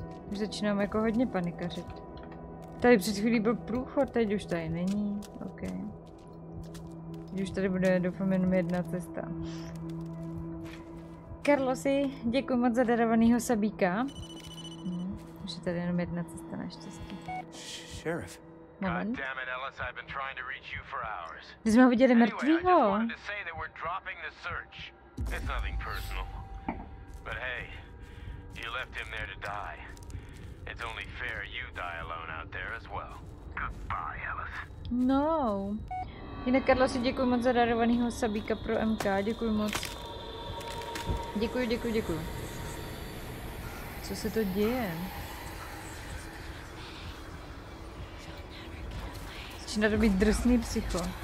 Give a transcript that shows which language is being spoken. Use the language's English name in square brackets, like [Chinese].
[Czech] Už začínám jako hodně panikařit. Tady před chvílí byl průchod, teď už tady není. OK. Teď už tady bude, doufám, jenom jedna cesta. Karlosi, děkuji moc za darovanýho sabíka. Už je tady jenom jedna cesta naštěstí. [English] Sheriff. Goddammit, Ellis, I've been trying to reach you for hours. [Czech] Když jsme ho viděli mrtvýho. [English] It's nothing personal. But hey, you left him there to die. It's only fair you die alone out there as well. Goodbye, Ellis. No. [Czech] Jinak, Karlosi, děkuji moc za darovanýho sabíka pro MK. Děkuji moc. Děkuji, děkuji, děkuji. Co se to děje? Začíná to být drsný psycho.